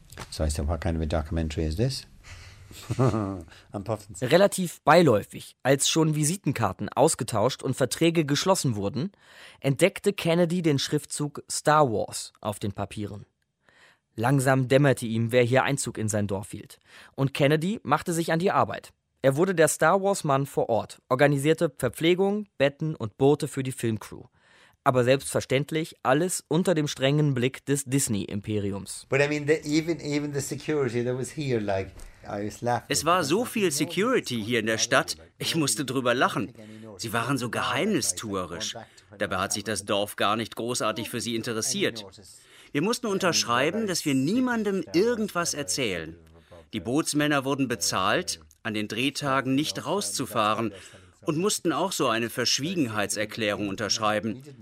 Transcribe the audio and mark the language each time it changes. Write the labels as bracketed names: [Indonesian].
[English] So I said, what kind of a documentary is this? [German] Relativ beiläufig, als schon Visitenkarten ausgetauscht und Verträge geschlossen wurden, entdeckte Kennedy den Schriftzug Star Wars auf den Papieren. Langsam dämmerte ihm, wer hier Einzug in sein Dorf hielt. Und Kennedy machte sich an die Arbeit. Er wurde der Star Wars-Mann vor Ort, organisierte Verpflegung, Betten und Boote für die Filmcrew. Aber selbstverständlich alles unter dem strengen Blick des Disney-Imperiums. [English] But I mean, even the security that was here, like. [German] Es war so viel Security hier in der Stadt, ich musste drüber lachen. Sie waren so geheimnistuerisch. Dabei hat sich das Dorf gar nicht großartig für sie interessiert. Wir mussten unterschreiben, dass wir niemandem irgendwas erzählen. Die Bootsmänner wurden bezahlt, an den Drehtagen nicht rauszufahren und mussten auch so eine Verschwiegenheitserklärung unterschreiben.